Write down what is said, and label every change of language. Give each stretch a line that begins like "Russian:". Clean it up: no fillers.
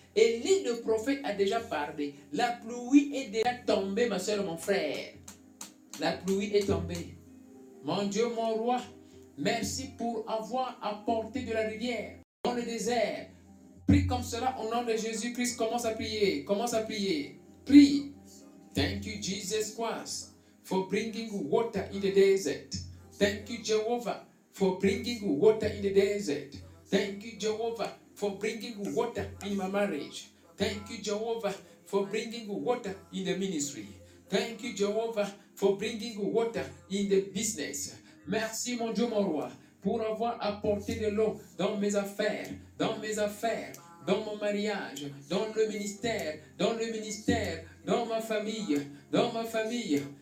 French: Élie le prophète a déjà parlé. La pluie est déjà tombée, ma soeur, mon frère. La pluie est tombée. Mon Dieu, mon roi, merci pour avoir apporté de la rivière dans le désert. Prie comme cela au nom de Jésus-Christ. Commence à prier. Commence à prier. Prie.
English: Thank you, Jesus Christ, for bringing water in the desert. Thank you, Jehovah, for bringing water in the desert. Thank you, Jehovah, for bringing water in my marriage. Thank you, Jehovah, for bringing water in the ministry. Thank you, Jehovah, for bringing water in the business.
French: Merci, mon Dieu, mon roi, pour avoir apporté de l'eau dans mes affaires, dans mon mariage, dans le ministère, dans ma famille.